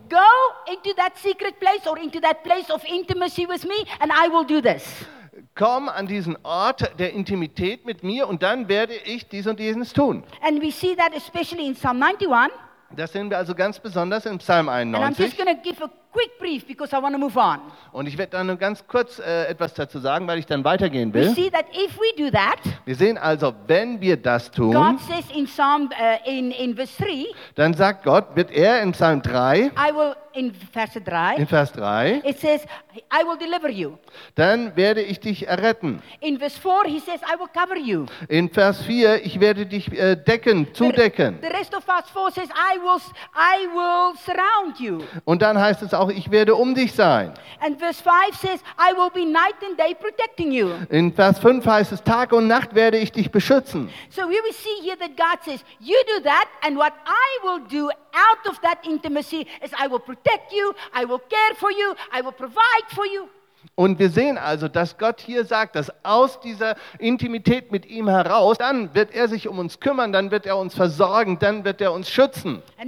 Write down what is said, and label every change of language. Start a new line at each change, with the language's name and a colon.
English: Go into that secret place or into that place of intimacy with me and I will do this.
German: Komm an diesen Ort der Intimität mit mir und dann werde ich dies und jenes tun.
English: And we see that especially in Psalm 91.
German: Das sehen wir also ganz besonders in Psalm 91.
English: And I'm just going to give a quick brief because I want to move on.
German: Und ich werde dann nur ganz kurz etwas dazu sagen, weil ich dann weitergehen will.
English: We see that if we do that,
German: wir sehen also, wenn wir das tun,
English: God says in Psalm, in verse 3,
German: dann sagt Gott, wird er in Psalm 3,
English: I will, in, verse 3,
German: in Vers 3,
English: it says, I will deliver you.
German: Dann werde ich dich erretten.
English: In verse 4, he says, I will cover you.
German: In Vers 4, ich werde dich decken, zudecken.
English: The rest of verse 4 says, I will surround you.
German: Und dann heißt es auch, ich werde um dich sein.
English: And verse 5 says, I will be night and day protecting you.
German: In Vers 5 heißt es, Tag und Nacht werde ich dich beschützen.
English: So here we see here that God says, you do that and what I will do out of that intimacy is I will protect you, I will care for you, I will provide for you.
German: Und wir sehen also, dass Gott hier sagt, dass aus dieser Intimität mit ihm heraus, dann wird er sich um uns kümmern, dann wird er uns versorgen, dann wird er uns schützen.